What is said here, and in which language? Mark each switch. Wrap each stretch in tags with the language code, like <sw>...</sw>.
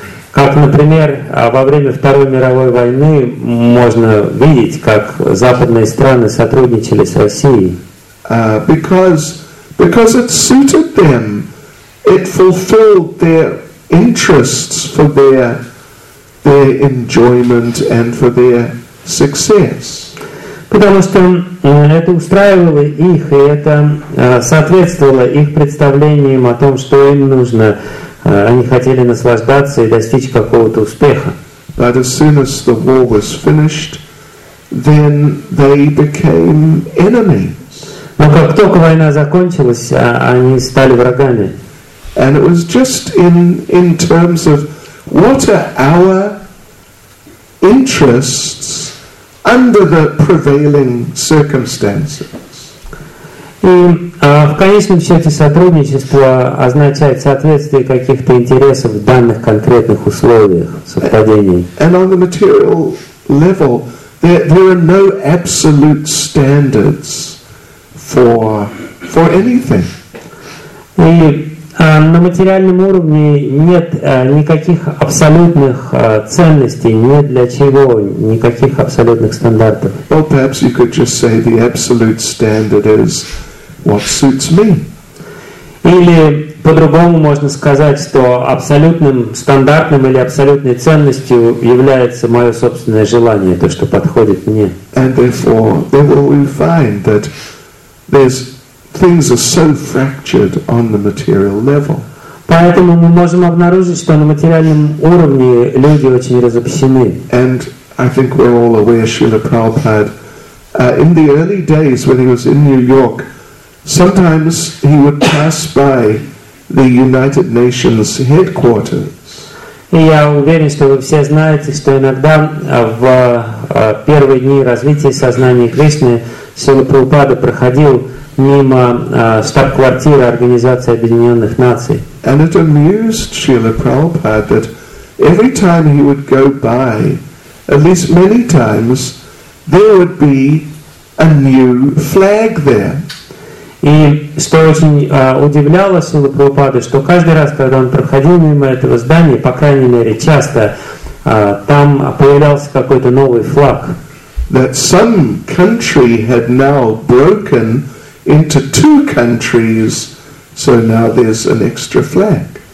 <ru>Как, например, во время Второй мировой войны можно видеть, как западные страны сотрудничали с Россией.</ru> <en>Because it suited them, it fulfilled their interests for their enjoyment and for their success.</en> <ru>Потому что это устраивало их, и это соответствовало их представлениям о том, что им нужно. Они хотели наслаждаться и достичь какого-то успеха.</ru> <en>But as soon as the war was finished, then they became enemies.</en> <ru>Но как только война закончилась, они стали врагами.</ru> <en>And it was just in terms of what are our interests under the prevailing circumstances.</en> <ru>И в конечном счете сотрудничество означает соответствие каких-то интересов в данных конкретных условиях, совпадений.</ru> <en>And on the material level, There are no absolute standards for anything.</en> <ru>И на материальном уровне нет никаких абсолютных ценностей, нет для чего никаких абсолютных стандартов.</ru> <en>Well, perhaps you could just say the absolute standard is what suits me.</en> <ru>Или по-другому можно сказать, что абсолютным стандартным или абсолютной ценностью является мое собственное желание, то, что подходит мне.</ru> <en>And therefore, then we find that things are so fractured on the material level.</en> <ru>Поэтому мы можем обнаружить, что на материальном уровне люди очень разобщены.</ru> <en>And I think we're all aware, Srila Prabhupada, in the early days when he was in New York, sometimes he would pass by the United Nations headquarters.</en> <ru>И я уверен, что вы все знаете, что иногда в первые дни развития сознания Кришны Сила Прабхупада проходил мимо штаб-квартиры Организации Объединенных Наций.</ru> <en>And it amused Srila Prabhupada that every time he would go by, at least many times, there would be a new flag there.</en> <ru>И что очень удивляло Силу Прабхупады, что каждый раз, когда он проходил мимо этого здания, по крайней мере часто, там появлялся какой-то новый флаг.</ru> <en>That some country had now broken into two countries, so now there's an extra flag.</en>